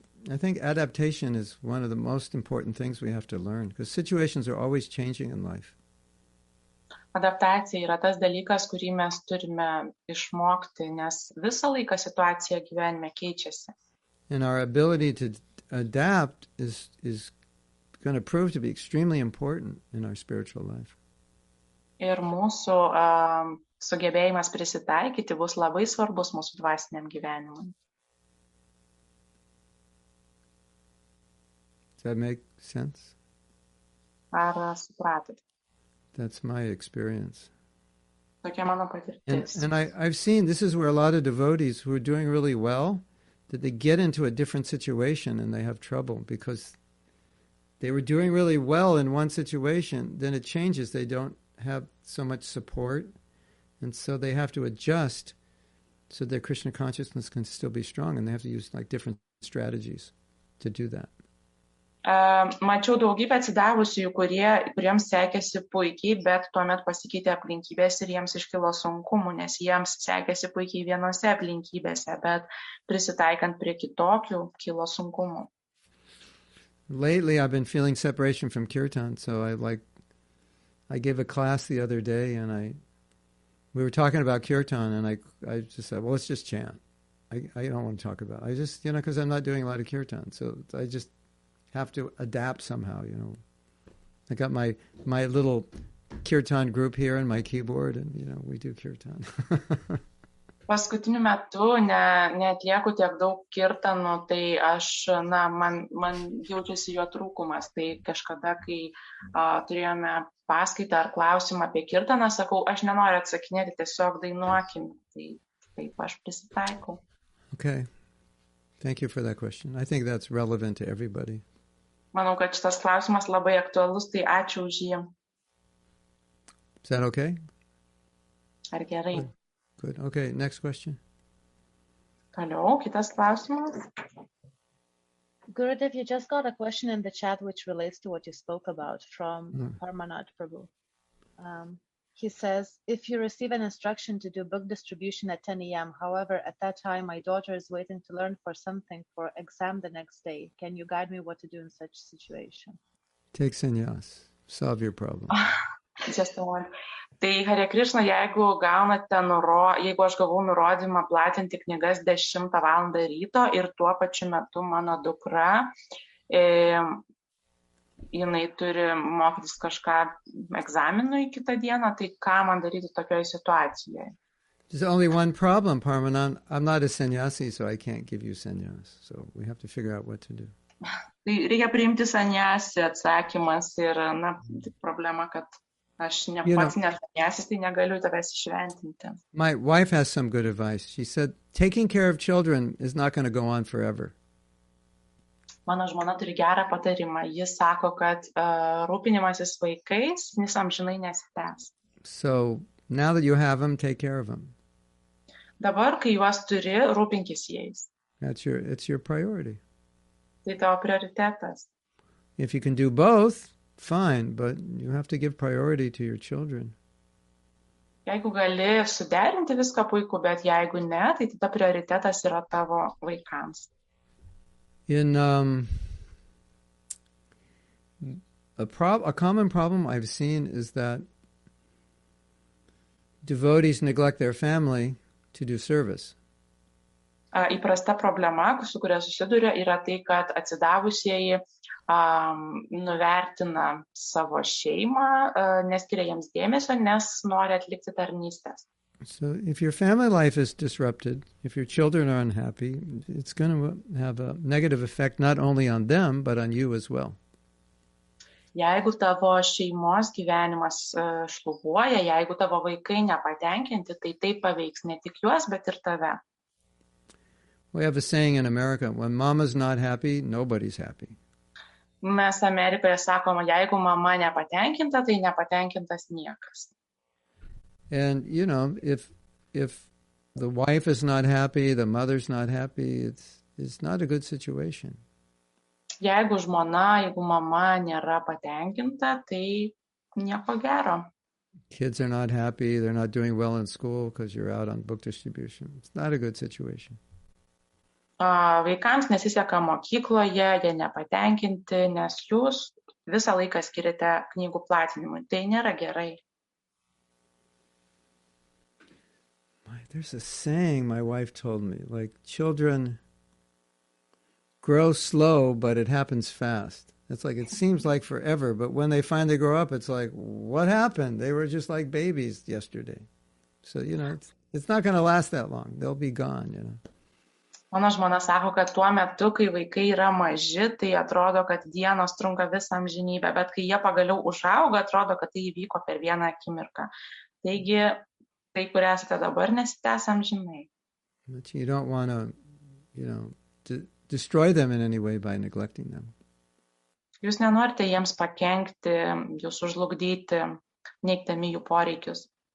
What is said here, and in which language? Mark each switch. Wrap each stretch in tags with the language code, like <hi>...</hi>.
<en>I think adaptation is one of the most important things we have to learn, because situations are always changing in life.</en> <lt>Adaptacija yra tas dalykas, kurį mes turime išmokti, nes visą laiką situacija gyvenime keičiasi.</lt> <en>And our ability to adapt is going to prove to be extremely important in our spiritual life.</en> <lt>Ir mūsų sugebėjimas prisitaikyti bus labai svarbus mūsų dvasiniam gyvenimui.</lt> <en>Does that make sense?</en> <lt>Ar supratote?</lt> <en>That's my experience.</en> <lt>Tokia mano patirtis.</lt> <en>And I've seen this is where a lot of devotees who are doing really well, that they get into a different situation and they have trouble because they were doing really well in one situation, then it changes. They don't have so much support. And so they have to adjust so their Krishna consciousness can still be strong, and they have to use like different strategies to do that.</en> <lt>Mačiau daugybę atsidavusių, kuriems sekėsi puikiai, bet tuomet pasikeitė aplinkybės ir jiems iškilo sunkumų, nes jiems sekėsi puikiai vienose aplinkybėse, bet prisitaikant prie kitokių, kilo sunkumų.</lt> <en>Lately I've been feeling separation from Kirtan, so I gave a class the other day and we were talking about Kirtan and I just said, well, let's just chant. I don't want to talk about it. I just, you know, because I'm not doing a lot of Kirtan, so I just have to adapt somehow, you know. I got my little kirtan group here and my keyboard, and you know, we do kirtan.</en> <lt>Paskutiniu metu neatlieku tiek daug kirtanų, tai aš, na, man jaučiasi jo trūkumas. Tai kažkada, kai turėjome paskaitą ar klausimą apie kirtaną, sakau, aš nenoriu atsakinėti, tiesiog dainuokim. Tai taip aš prisitaikau.</lt> <en>Okay. Thank you for that question. I think that's relevant to everybody.</en> <lt>Manau, kad šitas klausimas labai aktualus, tai ačiū už jį.</lt> <en>Is that okay?</en> <lt>Ar gerai?</lt> <en>Good. Okay, next question.</en> <lt>Toliau, kitas klausimas.</lt> <en>Gurudev, you just got a question in the chat which relates to what you spoke about from Parmanath Prabhu. He says, if you receive an instruction to do book distribution at 10 a.m., however, at that time, my daughter is waiting to learn for something for exam the next day. Can you guide me what to do in such a situation? Take sannyas. Solve your problem. Just a word.</en> <lt>Tai, Hare Krishna, jeigu gaunate jeigu aš gavau nurodymą platinti knygas 10 valandą ryto ir tuo pačiu metu mano dukra, jinai turi mokytis kažką egzaminui kitą dieną, tai ką man daryti tokioje situacijoje?</lt> <en>There's only one problem, Parmanand. I'm not a sannyasi, so I can't give you sannyas. So we have to figure out what to do.</en> <lt>Tai reikia priimti sannyasi atsakymas ir, na, tai problema, kad aš ne pats nesannyasis, tai negaliu tavęs išventinti.</lt> <en>My wife has some good advice. She said, taking care of children is not going to go on forever.</en> <lt>Mano žmona turi gerą patarimą. Jis sako, kad rūpinimasis vaikais nis amžinai nesitęs.</lt> <en>So, now that you have them, take care of them.</en> <lt>Dabar, kai juos turi, rūpinkis jais.</lt> <en>It's your priority.</en> <lt>Tai tavo prioritetas.</lt> <en>If you can do both, fine, but you have to give priority to your children.</en> <lt>Jeigu gali suderinti viską puiku, bet jeigu ne, tai tada prioritetas yra tavo vaikams.</lt> <en>In a common problem I've seen is that devotees neglect their family to do service.</en> <lt>Įprasta problema, su kuria susiduria, yra tai, kad atsidavusieji nuvertina savo šeimą, neskiria jiems dėmesio, nes nori atlikti tarnystės.</lt> <en>So if your family life is disrupted, if your children are unhappy, it's going to have a negative effect not only on them, but on you as well.</en> <lt>Jeigu tavo šeimos gyvenimas šlubuoja, jeigu tavo vaikai nepatenkinti, tai tai paveiks ne tik juos, bet ir tave.</lt> <en>We have a saying in America, when mama's not happy, nobody's happy.</en> <lt>Mes Amerikoje sakoma, jeigu mama nepatenkinta, tai nepatenkintas niekas.</lt> <en>And, you know, if the wife is not happy, the mother's not happy, it's not a good situation.</en> <lt>Jeigu žmona, jeigu mama nėra patenkinta, tai nieko gero.</lt> <en>Kids are not happy, they're not doing well in school because you're out on book distribution. It's not a good situation.</en> <lt>Vaikams nesiseka mokykloje, jie nepatenkinti, nes jūs visą laiką skiriate knygų platinimui. Tai nėra gerai.</lt> <en>There's a saying my wife told me, like children grow slow, but it happens fast. It's like, it seems like forever, but when they finally grow up, it's like, what happened? They were just like babies yesterday. So, you know, it's not going to last that long. They'll be gone, you know.</en> <lt>Mano žmona sako, kad tuo metu, kai vaikai yra maži, tai atrodo, kad dienos trunka visą amžinybę, bet kai jie pagaliau užaugo, atrodo, kad tai įvyko per vieną akimirką. Taigi, tai, kur esate dabar, nesitęs amžinai.</lt> <en>You don't want to, you know, destroy them in any way by neglecting them.</en> <lt>Jūs nenorite jiems pakenkti, jūs užlugdyti, neigdami jų poreikius.</lt>